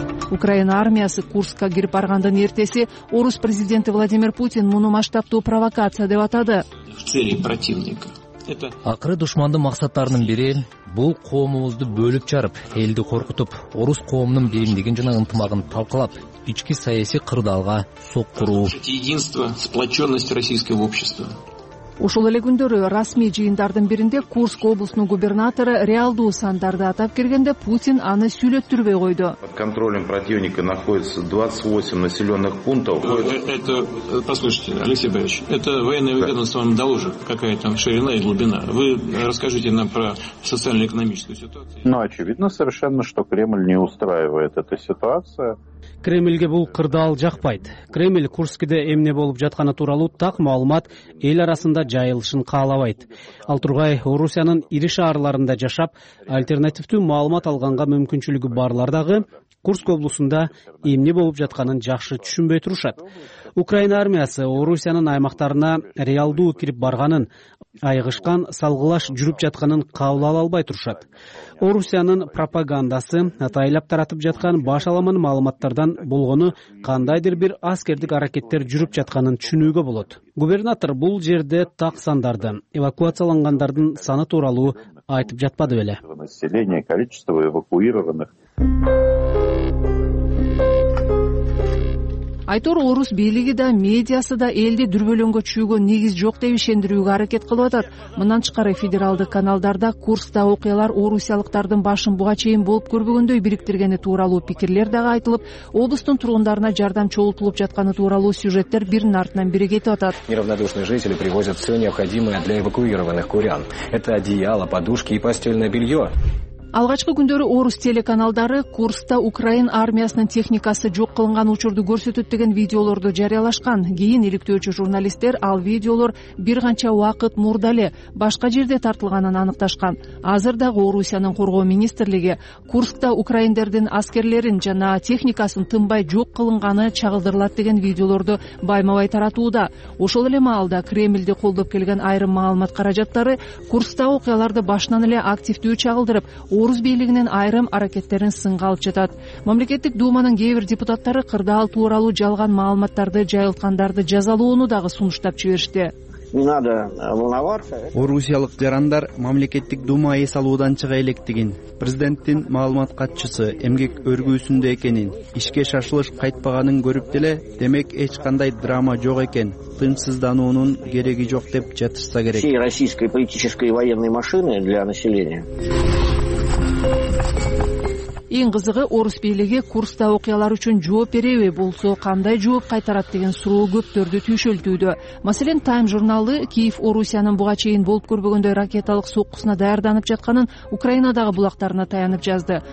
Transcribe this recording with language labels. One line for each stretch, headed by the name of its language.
Kyrgyz: Украина армиясы Курска кирип баргандын эртеси орус президенти Владимир Путин муну масштабтуу провокация деп атады.
Russian: Цели противника.
Kyrgyz: Акыры душмандын максаттарынын бири бул коомубузду бөлүп чарып, элди коркутуп, орус коомунун биримдигин жана ынтымагын талкалап, ички саясий кырдаалга соктуруу.
Russian: Единство, сплочённость российского общества.
Kyrgyz: Ушул эле күндөрү расмий жыйындардын биринде Курск облусунун губернатору реалдуу сандарды атап келгенде Путин аны сүйлөттүрбөй койду.
Russian: Под контролем противника находится 28 населенных пунктов. Это, послушайте, Алексей Борисович, это военное ведомство вам дало уже какая-то ширина и глубина. Вы расскажите нам про социально-экономическую ситуацию. Ну, очевидно совершенно, что Кремль не устраивает эта ситуация.
Kyrgyz: Кремльге бул кырдаал жакпайт. Кремль Курскиде эмне болуп жатканы тууралуу так маалымат эл арасында жайылышын каалабайт. Ал тургай Орусиянын ири шаарларында жашап, альтернативдүү маалымат алганга мүмкүнчүлүгү барлар дагы Курск облусунда эмне болуп жатканын жакшы түшүнбөй турушат. Украина армиясы Орусиянын аймактарына реалдуу кирип барганын, айгышкан салгылаш жүрүп жатканын кабыл ала албай турушат. Орусиянын пропагандасы атайылап таратып жаткан баш аламан маалыматтардан болгону кандайдыр бир аскердик аракеттер жүрүп жатканын түшүнүүгө болот. Губернатор бул жерде так сандарды, эвакуациялангандардын саны тууралуу айтып жатпады беле.
Russian: Население, количество эвакуированных.
Kyrgyz: Айтор орус бийлиги да, медиасы да элди дүрбөлөңгө чүйгөн негиз жок деп ишендирүүгө аракет кылып атат. Мындан тышкары федералдык каналдарда Курскта окуялар орусиялыктардын башын буга чейин болуп көрбөгөндөй бириктиргени тууралуу пикирлер дагы айтылып, облустун тургундарына жардам чогултулуп жатканы тууралуу сюжеттер бирин артынан бири кетип атат.
Russian: Неравнодушные жители привозят все необходимое для эвакуированных курян. Это одеяло, подушки и постельное белье.
Kyrgyz: Алгачкы күндөрү орус телеканалдары Курскта Украин армиясынын техникасы жок кылынган учурду көрсөтөт деген видеолорду жарыялашкан. Кийин иликтөөчү журналисттер ал видеолор бир канча убакыт мурда эле башка жерде тартылганын аныкташкан. Азыр дагы Орусиянын коргоо министрлиги Курскта украиндердин аскерлерин жана техникасын тынбай жок кылынганы чагылдырылат деген видеолорду байма-бай таратууда. Ошол эле маалда Кремлди колдоп келген айрым маалымат каражаттары Курскта окуяларды башынан эле активдүү чагылдырып, орус бийлигинин айрым аракеттерин сынга алып жатат. Мамлекеттик дууманын кээ бир депутаттары кырдаал тууралуу жалган маалыматтарды жайылткандарды жазалоону дагы сунуштап жиберишти. Орусиялык жарандар мамлекеттик дума эс алуудан чыга электигин, президенттин маалымат катчысы эмгек өргүүсүндө экенин, ишке шашылыш кайтпаганын көрүп деле, демек эч кандай драма жок экен, тынчсыздануунун кереги жок деп жатышса керек.
Russian: Всей российской политической военной машины для населения.
Kyrgyz: Эң кызыгы орус бийлиги Курскта окуялар үчүн жооп береби, болсо кандай жооп кайтарат деген суроо көптөрдү түйшөлтүүдө. Маселен, Time журналы Киев Орусиянын буга чейин болуп көрбөгөндөй ракеталык соккусуна даярданып жатканын Украинадагы булактарына таянып жазды.